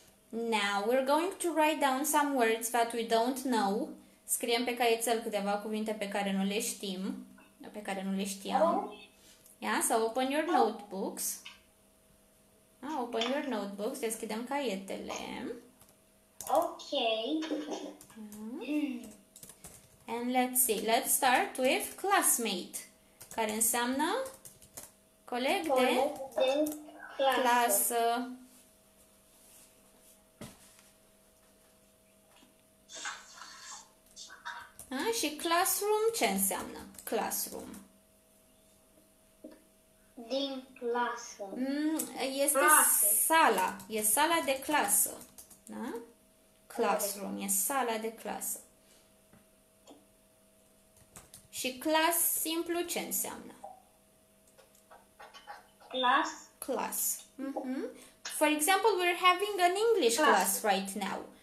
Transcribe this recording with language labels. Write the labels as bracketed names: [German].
[English] Now we're going to write down some words that we don't know. [Romanian] Scriem pe caietel câteva cuvinte pe care nu le știm. Pe care nu le știam. [English] Yeah, so open your notebooks. Ah, open your notebooks. [Romanian] Deschidem caietele. Ok. [English] Yeah. And let's see. Let's start with classmate. [Romanian] Care înseamnă? Coleg de? Clasă. Ah, și classroom ce înseamnă? [English] Classroom. [Romanian] Din clasă. Mm, este clase. Sala. E sala de clasă. Da? Classroom. E sala de clasă. Și clas simplu ce înseamnă? Clas. Clas. Mm-hmm. [English] For example, we're having an English class right now.